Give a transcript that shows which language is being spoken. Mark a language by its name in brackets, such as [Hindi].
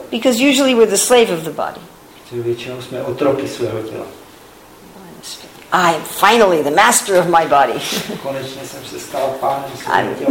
[English] Because usually we're the slave of the body. [Czech] Protože většinou jsme otroky svého těla. [English] I am finally the master of my body. [Czech] Konečně jsem se stal pánem svého těla.